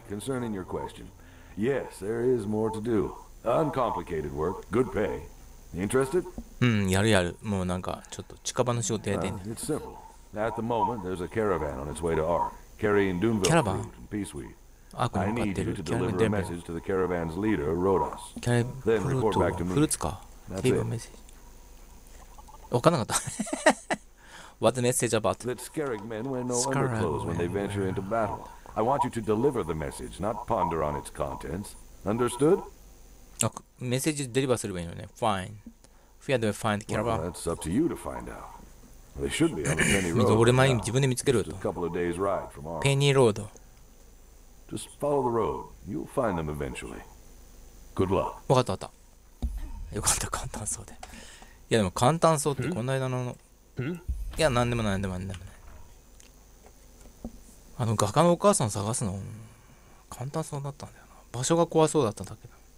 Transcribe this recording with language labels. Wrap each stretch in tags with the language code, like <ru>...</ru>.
<en>Anyway, concerning your question, yes, there is more to do. Uncomplicated work, good pay. Interested?</en> <ja>やるやる。もうなんかちょっと近場の仕事やってんね。</ja> <en>It's simple. At the moment, there's a caravan on its way to Ark, carrying Doonville fruit and peace weed.</en> <ja>あ、これ向かってる。キャラメルテンポ。キャラメルテンポ。キャラメルテンポ。フルーツか。キャラメルテンポ。わかんなかった。</ja> <en>What's the message about? That Skarrig men wear no underclothes when they venture into battle. I want you to deliver the message, not ponder on its contents. Understood?</en> <ja>あ、メッセージデリバーすればいいのね。</ja> <en>Fine. If you had to find the caravan. Well, that's up to you to find out. They should be on a penny road.</en> <ja>俺前に自分で見つけると。</ja> <en>A couple of days ride from our... ペニーロード。 Just follow the road. You'll find them eventually. Good luck.</en> <ja>わかったわかった。よかった、簡単そうで。いやでも簡単そうってこの間の。いや、なんでもないなんでもない。あの画家のお母さん探すの簡単そうだったんだよな。場所が怖そうだったんだけど。</ja>